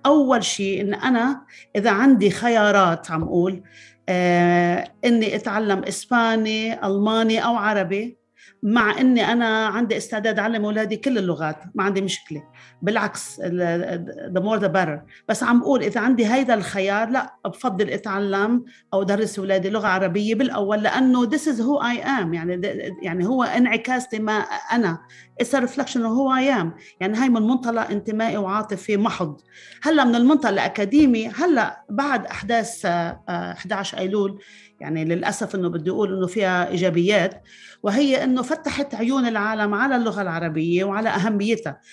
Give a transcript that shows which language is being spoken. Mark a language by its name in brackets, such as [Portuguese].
[Arabic] اول شيء ان انا اذا عندي خيارات عم اقول اني اتعلم اسباني الماني او عربي، مع اني انا عندي استعداد اعلم اولادي كل اللغات، ما عندي مشكله، بالعكس [English] the more the better. [Arabic] بس عم اقول اذا عندي هيدا الخيار، لا بفضل اتعلم او ادرس اولادي لغه عربيه بالاول، لانه [English] this is who I am. [Arabic] يعني هو انعكاستي ما انا، [English] it's a reflection of who I am. [Arabic] يعني هاي من منطلق انتمائي وعاطفي محض. هلا من المنطلق الاكاديمي، هلا بعد احداث 11 ايلول، يعني للاسف انه بدي اقول انه فيها ايجابيات، وهي انه فتحت عيون العالم على اللغه العربيه وعلى اهميتها.